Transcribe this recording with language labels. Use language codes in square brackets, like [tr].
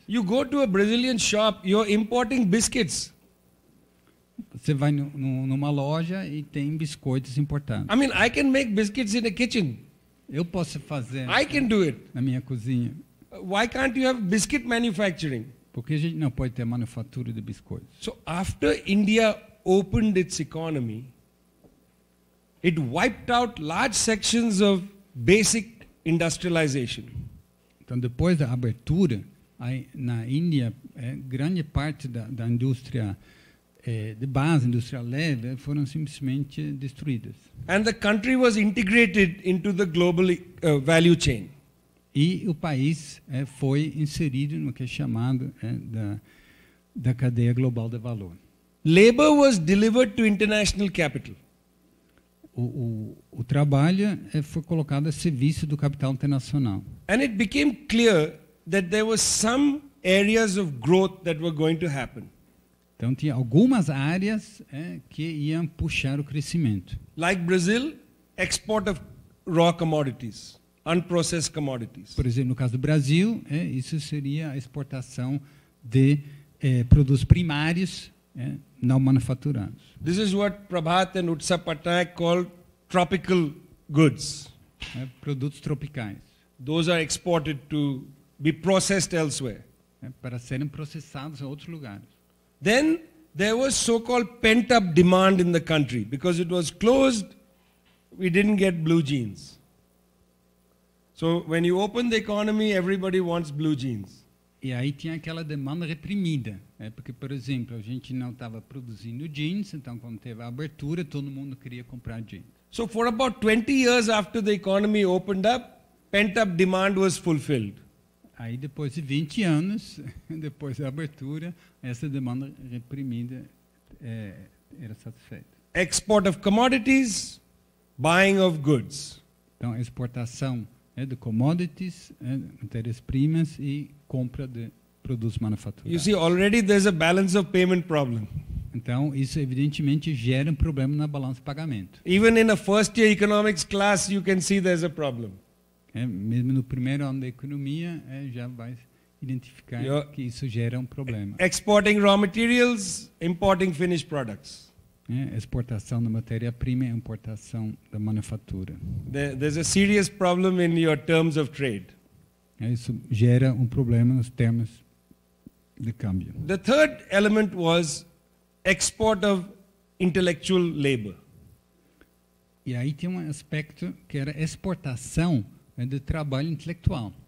[en] You go to a Brazilian shop, you're importing biscuits. [pt] Você vai numa loja e tem biscoitos importados. [en] I mean, I can make biscuits in the kitchen. [pt] Eu posso fazer. [en] I can do it. [pt] Na minha cozinha. [en] Why can't you have biscuit manufacturing? [pt] Porque a gente não pode ter manufatura de biscoitos. [en] So after India opened its economy, it wiped out large sections of basic industrialization. [pt] Então depois da abertura na Índia, grande parte da indústria de base, indústria leve, foram simplesmente destruídas. [en] And the country was integrated into the global value chain. [pt] E o país foi inserido no que é chamado da cadeia global de valor. [en] Labor was delivered to international capital. [pt] O trabalho foi colocado a serviço do capital internacional. [en] And it became clear that there were some areas of growth that were going to happen. [pt] Então tinha algumas áreas que iam puxar o crescimento. [en] Like Brazil, export of raw commodities, unprocessed commodities. [pt] Por exemplo, no caso do Brasil, isso seria a exportação de produtos primários não manufaturados. [en] This is what Prabhat and Utsav Pattanaik called tropical goods. [pt] Produtos tropicais. [en] Those are exported to be processed elsewhere. [pt] Para serem processados em outros lugares. [en] Then there was so-called pent-up demand in the country because it was closed. We didn't get blue jeans. So when you open the economy, everybody wants blue jeans. [pt] E aí tinha aquela demanda reprimida, porque, por exemplo, a gente não estava produzindo jeans, então quando teve a abertura, todo mundo queria comprar jeans. [en] So for about 20 years after the economy opened up, pent-up demand was fulfilled. [pt] Aí depois de 20 anos, depois da abertura, essa demanda reprimida era satisfeita. [en] Export of commodities, buying of goods. [pt] Então, exportação de commodities, matérias-primas e compra de produtos manufaturados. [en] You see, already there's a balance of payment problem. [pt] Então, isso evidentemente gera um problema na balança de pagamento. [en] Even in a first year economics class, you can see there's a problem. [pt] Mesmo no primeiro ano da economia, já vai identificar que isso gera um problema. [en] Exporting raw materials, importing finished products. [pt] Exportação da matéria-prima e importação da manufatura. [en] There's a serious problem in your terms of trade. [pt] Isso gera um problema nos termos de câmbio. [en] The third element was export of intellectual labor. [pt] E aí tem um aspecto que era exportação de trabalho intelectual.